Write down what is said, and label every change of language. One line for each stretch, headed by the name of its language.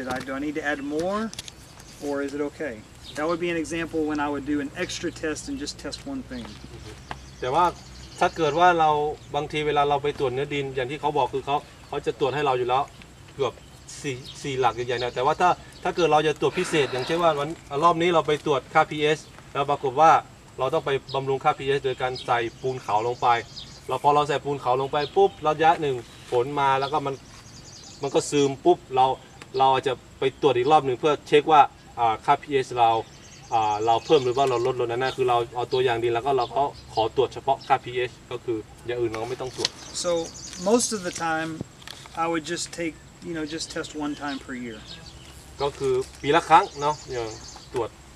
English: Do I need to add more or is it okay? That would be an example when I would do an extra test and just test one thing.
Thai: แต่ว่าถ้าเกิดว่าเราบางทีเวลาเราไปตรวจเนื้อดินอย่างที่เขาบอกคือเขาจะตรวจให้เราอยู่แล้วเกือบ4หลักใหญ่ๆนะแต่ว่าถ้าเกิดเราจะตรวจพิเศษอย่างเช่นว่ารอบนี้เราไปตรวจค่า pH แล้วปรากฏว่าเราต้องไปบำรุงค่า pH โดยการใส่ปูนขาวลงไปเราพอเราใส่ปูนขาวลงไปปุ๊บระยะหนึ่งฝนมาแล้วก็มัน มันก็ซึมปุ๊บเราอาจจะไปตรวจอีกรอบนึงเพื่อเช็คว่าค่า pH เราเพิ่มหรือว่าเราลดลงนั่นคือเราเอาตัวอย่างดีแล้วก็เราก็ขอตรวจเฉพาะค่า pH ก็คืออย่างอื่นเราไม่ต้องตรวจ
English: so most of the time I would just take you know just test one time per year
Thai: ก็คือปีละครั้งเนาะอย่างตรวจ